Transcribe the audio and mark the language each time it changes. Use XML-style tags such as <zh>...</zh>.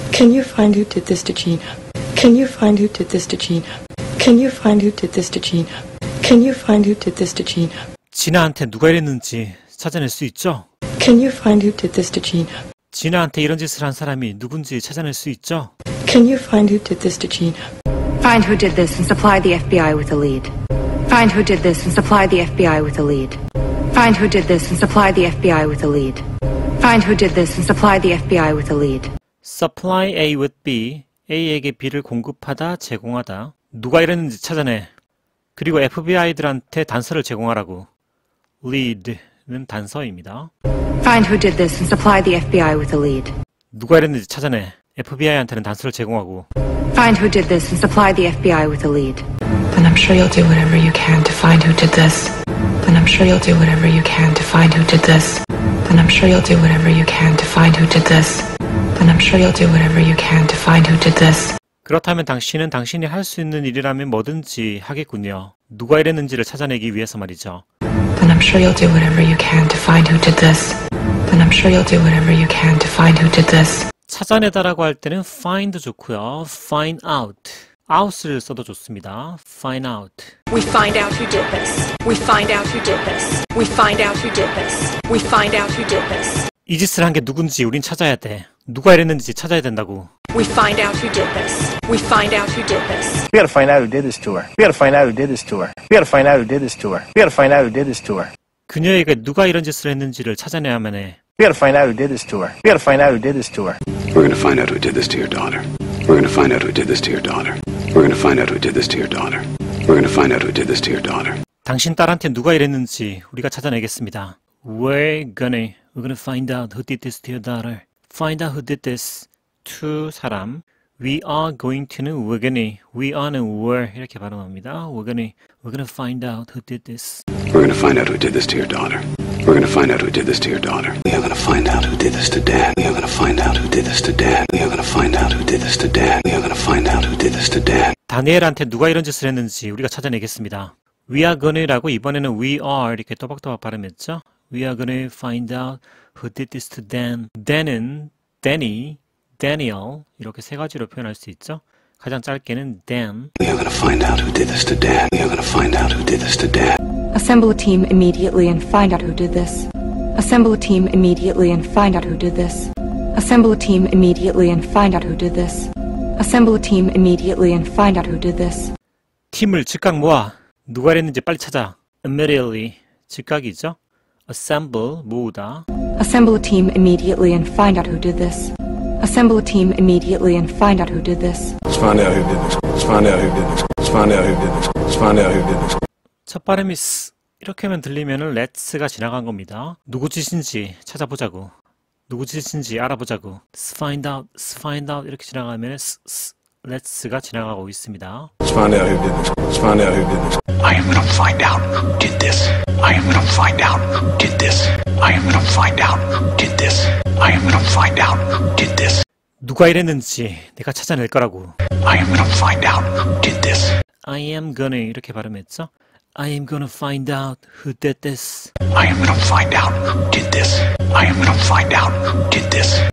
<en>Can you find who did this to Gina? Can you find who did this to Gina? Can you find who did this to Gina? Can you find who did this to Gina?</en> <ko>진아한테 누가 이랬는지 찾아낼 수 있죠?</ko> <en>Can you find who did this to Gina?</en> <ko>진아한테 이런 짓을 한 사람이 누군지 찾아낼 수 있죠?</ko> <en>Can you find who did this to Gina? Find who did this and supply the FBI with a lead. Find who did this and supply the FBI with a lead. Find who did this and supply the FBI with a lead. Find who did this and supply the FBI with a lead. Supply A with B.</en> <ko>A에게 B를 공급하다, 제공하다. 누가 이랬는지 찾아내. 그리고 FBI들한테 단서를 제공하라고. Lead는 단서입니다.</ko> <en>Find who did this and supply the FBI with a lead.</en> <ko>누가 이랬는지 찾아내. FBI한테는 단서를 제공하고.</ko> <en>Find who did this and supply the FBI with a lead. Then I'm sure you'll do whatever you can to find who did this. Then I'm sure you'll do whatever you can to find who did this. Then I'm sure you'll do whatever you can to find who did this. Then I'm sure you'll do whatever you can to find who did this.</en> <ko>그렇다면 당신은 당신이 할수 있는 일이라면 뭐든지 하겠군요. 누가 이랬는지를 찾아내기 위해서 말이죠.</ko> <en>Then I'm sure you'll do whatever you can to find who did this. Then I'm sure you'll do whatever you can to find who did this.</en> <ko>찾아내다라고 할 때는 find 좋고요. find out. out을 써도 좋습니다.</ko> <en>find out. We find out who did this. We find out who did this. We find out who did this. We find out who did this.</en> <ko>이 짓을 한게 누군지 우린 찾아야 돼. 누가 이랬는지 찾아야 된다고.</ko> <en>We find out who did this. We find out who did this. We gotta find out who did this to her. We gotta find out who did this to her. We gotta find out who did this to her. We gotta find out who did this to her.</en> <ko>그녀에게 누가 이런 짓을 했는지를 찾아내야만 해.</ko> <en>We gotta find out who did this to her. We gotta find out who did this to her. We're gonna find out who did this to your daughter. We're gonna find out who did this to your daughter. We're gonna find out who did this to your daughter. We're gonna find out who did this to your daughter.</en> <ko>당신 딸한테 누가 이랬는지 우리가 찾아내겠습니다.</ko> <en>We're gonna find out who did this to your daughter. Find out who did this to 사람. We are going to는 we're gonna. We are는 we're</en> <ko>이렇게 발음합니다.</ko> <en>We're gonna find out who did this. We're gonna find out who did this to your daughter. We're gonna find out who did this to your daughter. We are gonna find out who did this to Dan. We are gonna find out who did this to Dan. We are gonna find out who did this to Dan. We are gonna find out who did this to Dan.</en> <ko>다니엘한테 누가 이런 짓을 했는지 우리가 찾아내겠습니다.</ko> <en>We are gonna라고</en> <ko>이번에는</ko> <en>we are</en> <ko>이렇게 또박또박 발음했죠?</ko> <en>We are gonna find out who did this to Dan.</en> <ko>Dan은 Danny, Daniel 이렇게 세 가지로 표현할 수 있죠? 가장 짧게는 Dan.</ko> <en>We are gonna find out who did this to Dan. We are gonna find out who did this to Dan. Assemble a team immediately and find out who did this. Assemble a team immediately and find out who did this. Assemble a team immediately and find out who did this. Assemble a team immediately and find out who did this.</en> <ko>팀을 즉각 모아. 누가 했는지 빨리 찾아.</ko> <en>Immediately</en> <ko>즉각이죠? Assemble 모으다.</ko> <en>Assemble a team immediately and find out who did this. Assemble a team immediately and find out who did this. Let's find out who did this. Let's find out who did this. Let's find out who did this. Let's find out who did this.</en> <ko>첫 발음이 스 이렇게만 들리면은 let's가 지나간 겁니다. 누구 짓인지 찾아보자고. 누구 짓인지 알아보자고.</ko> <en>Let's find out. Let's find out</en> <ko>이렇게 지나가면 스</ko> <en>let's가</en> <ko>지나가고 있습니다.</ko> <en>Let's find out who did this. Let's find out who did this. I am gonna find out who did this. I am gonna find out who did this. I am gonna find out who did this. I am gonna find out who did this.</en> <ko>누가 이랬는지 내가 찾아낼 거라고.</ko> <en>I am gonna find out who did this. I am gonna</en> <ko>이렇게 발음했죠?</ko> <en>I am gonna find out who did this. I am gonna find out who did this. I am gonna find out who did this.</en>